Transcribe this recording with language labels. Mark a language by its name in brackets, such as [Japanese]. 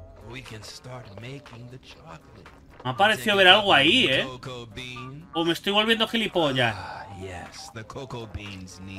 [English] We can start making the chocolate. [Spanish] Me ha parecido ver algo ahí, ¿eh? O me estoy volviendo gilipollas. [English] Yes, the cocoa beans need.